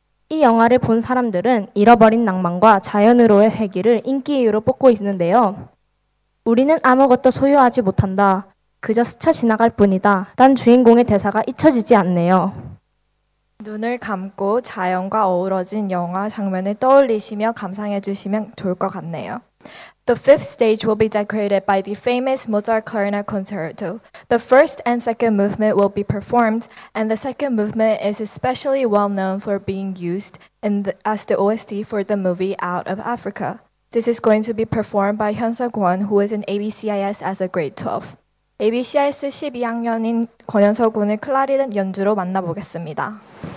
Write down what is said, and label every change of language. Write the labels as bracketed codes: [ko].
[ko] 이 영화를 본 사람들은 잃어버린 낭만과 자연으로의 회귀를 인기 이유로 뽑고 있는데요. 우리는 아무것도 소유하지 못한다. 그저 스쳐 지나갈 뿐이다. 란 주인공의 대사가 잊혀지지 않네요. 눈을 감고 자연과 어우러진 영화 장면을 떠올리시며 감상해 주시면 좋을 것 같네요. [en] The fifth stage will be decorated by the famous Mozart clarinet concerto. The first and second movement will be performed, and the second movement is especially well known for being used in the, as the OST for the movie Out of Africa. This is going to be performed by Hyun Suk Won, who is in ABCIS as a grade 12. [ko] ABCIS 12학년인 권현석 군을 클라리넷 연주로 만나보겠습니다.